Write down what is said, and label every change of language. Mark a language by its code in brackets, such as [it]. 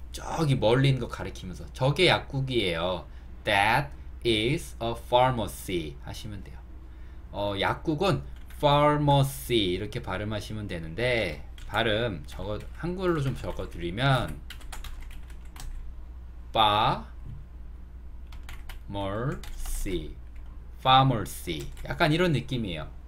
[ko] 저기 멀리 있는 거 가리키면서 저게 약국이에요. [en] That is a pharmacy [ko] 하시면 돼요. 약국은 pharmacy 이렇게 발음하시면 되는데 발음 저거 한글로 좀 적어드리면 pharmacy, pharmacy 약간 이런 느낌이에요.